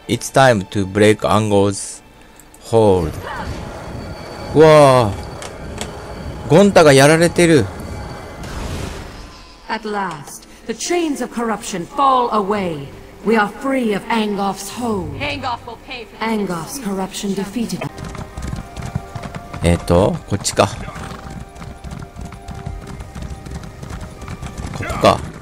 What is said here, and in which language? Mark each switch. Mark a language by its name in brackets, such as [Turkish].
[English] It's time to break Angulf's hold. [Japanese] わあ、ゴンタがやられてる。 [English] At last, the chains of corruption fall away. We are free of Angolf's hold. Angolf will pay for Angolf's corruption defeated. [Japanese] こっちか。ここか。